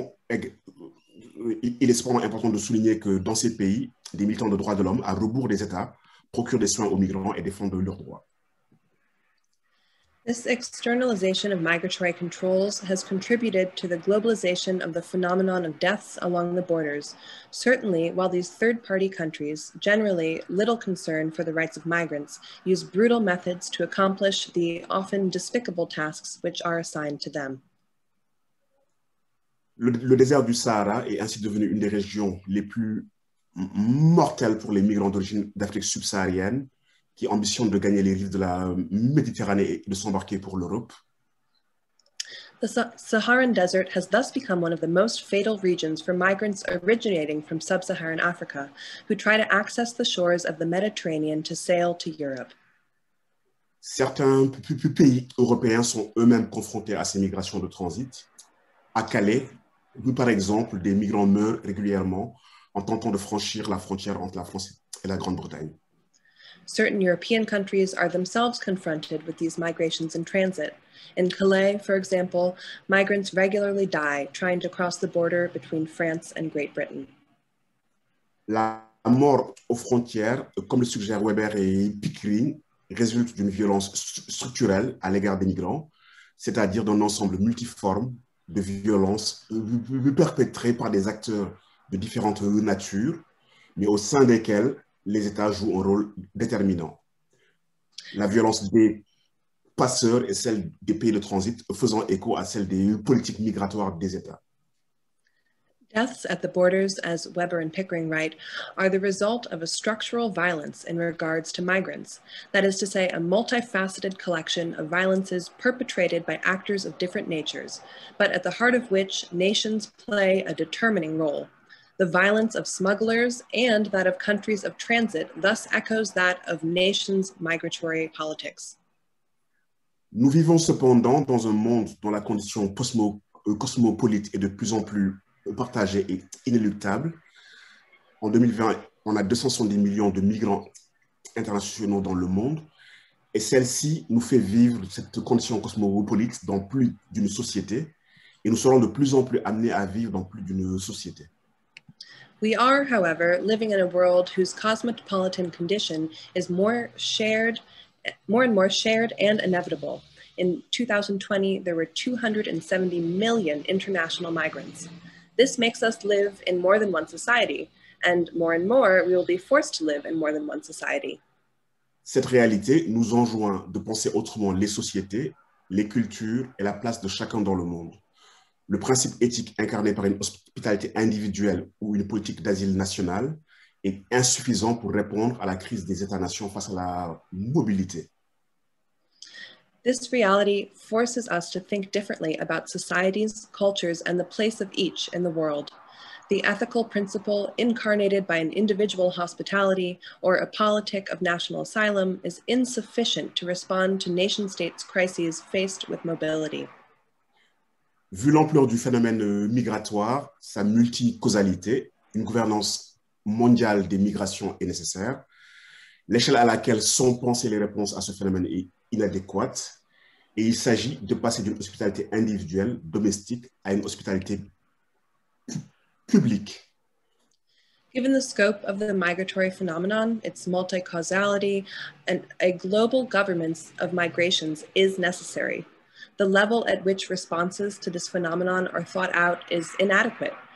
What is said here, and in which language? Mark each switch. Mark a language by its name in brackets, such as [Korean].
[French] Il est cependant important de souligner que dans ces pays, des militants de droits de l'homme, à rebours des États, procurent des soins aux migrants et défendent leurs droits. [English] This externalization of migratory controls has contributed to the globalization of the phenomenon of deaths along the borders. Certainly, while these third-party countries, generally little concern for the rights of migrants, use brutal methods to accomplish the often despicable tasks which are assigned to them. [French] Le désert du Sahara est ainsi devenu une des régions les plus mortelles pour les migrants d'origine d'Afrique subsaharienne, qui ambitionne de gagner les rives de la Méditerranée et de s'embarquer pour l'Europe. [English] The Saharan Desert has thus become one of the most fatal regions for migrants originating from sub-Saharan Africa, who try to access the shores of the Mediterranean to sail to Europe. [French] Certains pays européens sont eux-mêmes confrontés à ces migrations de transit. À Calais, où par exemple, des migrants meurent régulièrement en tentant de franchir la frontière entre la France et la Grande-Bretagne. [English] Certain European countries are themselves confronted with these migrations in transit. In Calais, for example, migrants regularly die trying to cross the border between France and Great Britain. [French] La mort aux frontières, comme le suggèrent Weber et Pickering, résulte d'une violence structurelle à l'égard des migrants, c'est-à-dire d'un ensemble multiforme de violences perpétrées par des acteurs de différentes natures, mais au sein desquels les États jouent un rôle déterminant. La violence des passeurs et celle des pays de transit faisant écho à celle des politiques migratoires des États. [English] Deaths at the borders, as Weber and Pickering write, are the result of a structural violence in regards to migrants. That is to say, a multifaceted collection of violences perpetrated by actors of different natures, but at the heart of which nations play a determining role. The violence of smugglers and that of countries of transit thus echoes that of nations' migratory politics. [French] Nous vivons cependant dans un monde dont la condition cosmopolite est de plus en plus partagée et inéluctable. En 2020, on a 270 millions de migrants internationaux dans le monde, et celle-ci nous fait vivre cette condition cosmopolite dans plus d'une société, et nous serons de plus en plus amenés à vivre dans plus d'une société. [English] We are, however, living in a world whose cosmopolitan condition is more and more shared and inevitable. In 2020, there were 270 million international migrants. This makes us live in more than one society, and more, we will be forced to live in more than one society. [French] Cette réalité nous enjoint de penser autrement les sociétés, les cultures et la place de chacun dans le monde. Le principe éthique incarné par une hospitalité individuelle ou une politique d'asile nationale est insuffisant pour répondre à la crise des États-nations face à la mobilité. [English] This reality forces us to think differently about societies, cultures, and the place of each in the world. the ethical principle incarnated by an individual hospitality or a politic of national asylum is insufficient to respond to nation states' crises faced with mobility. [French] Vu l'ampleur du phénomène migratoire, sa multicausalité, une gouvernance mondiale des migrations est nécessaire. L'échelle à laquelle sont pensées les réponses à ce phénomène est inadéquate. Et il s'agit de passer d'une hospitalité individuelle, domestique, à une hospitalité publique. [English] Given the scope of the migratory phenomenon, its multicausality, and a global governance of migrations is necessary. The level at which responses to this phenomenon are thought out is inadequate.